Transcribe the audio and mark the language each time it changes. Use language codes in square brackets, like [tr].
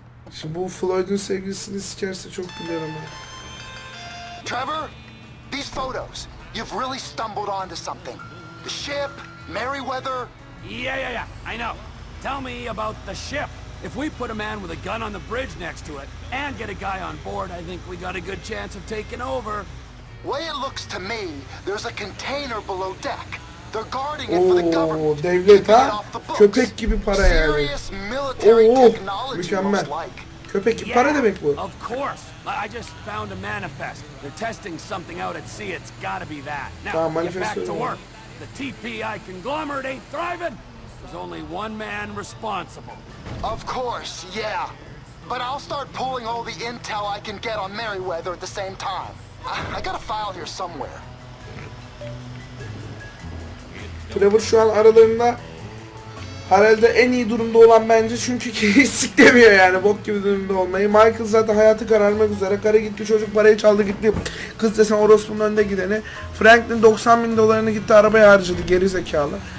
[tr] Şimdi bu Floyd'un sevgilisini sikerse çok güler ama. [en] Trevor, these photos, you've really stumbled onto something. The ship, Meriwether. Yeah, yeah, yeah, I know. Tell me about the ship. If we put a man with a gun on the bridge next to it and get a guy on board, I think we got a good chance of taking over. Way it looks to me, there's a container below deck. They're guarding it for the government. [tr] Devlet ha? Köpek gibi para yani. [en] Serious military technology. [tr] Köpek gibi para demek bu. [en] Of course. I just found a manifest. They're testing something out at sea. It's gotta be that. Now, get back to work. The TPI conglomerate ain't thriving. There's only one man responsible. Of course, yeah. But I'll start pulling all the intel I can get on Meriwether at the same time. I got a file here somewhere. [tr] Trevor şu an aralarında herhalde en iyi durumda olan bence, çünkü hiç siklemiyor yani, bok gibi durumda olmayı. Michael zaten hayatı kararmak üzere. Kara gitti, çocuk parayı çaldı gitti. Kız desen orospunun önünde gideni. Franklin 90 bin dolarını gitti arabaya harcadı, geri zekalı.